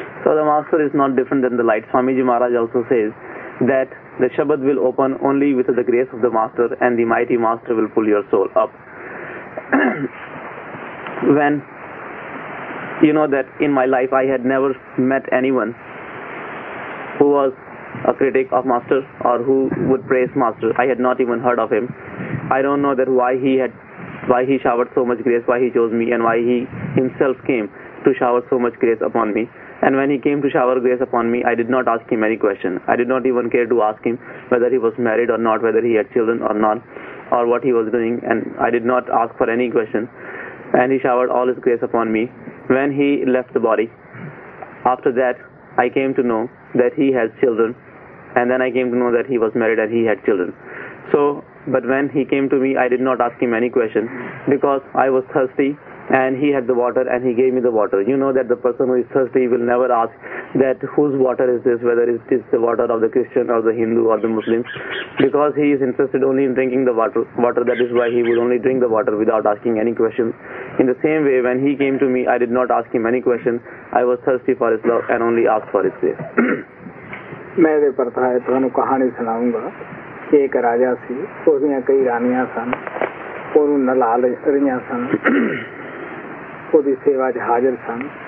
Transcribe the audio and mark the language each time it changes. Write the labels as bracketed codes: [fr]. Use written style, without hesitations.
[en] So the master is not different than the light. Swami ji Maharaj also says that the shabd will open only with the grace of the master and the mighty master will pull your soul up. When you know that in my life I had never met anyone who was a critic of master or who would praise master. I had not even heard of him. I don't know that why he showered so much grace, why he chose me and why he himself came to shower so much grace upon me. And when he came to shower grace upon me, I did not ask him any question. I did not even care to ask him whether he was married or not, whether he had children or not, or what he was doing, and I did not ask for any question. And he showered all his grace upon me. When he left the body, after that I came to know that he has children, and then I came to know that he was married and he had children. So, but when he came to me, I did not ask him any question because I was thirsty and he had the water and he gave me the water. You know that the person who is thirsty will never ask that whose water is this, whether it is the water of the Christian or the Hindu or the Muslim, because he is interested only in drinking the water. That is why he would only drink the water without asking any question. In the same way, when he came to me, I did not ask him any question. I was thirsty for his love and only asked for his grace. [pa] ਮੈਂ ਇਹਦੇ ਪਰ ਤੁਹਾਨੂੰ ਕਹਾਣੀ ਸੁਣਾਊਂਗਾ ਕਿ ਇੱਕ ਰਾਜਾ ਸੀ, ਉਹਦੀਆਂ ਕਈ ਰਾਣੀਆਂ ਸਨ, ਉਹਨੂੰ ਨਲਾ ਰਹੀਆਂ ਸਨ, ਉਹਦੀ ਸੇਵਾ 'ਚ ਹਾਜ਼ਰ ਸਨ।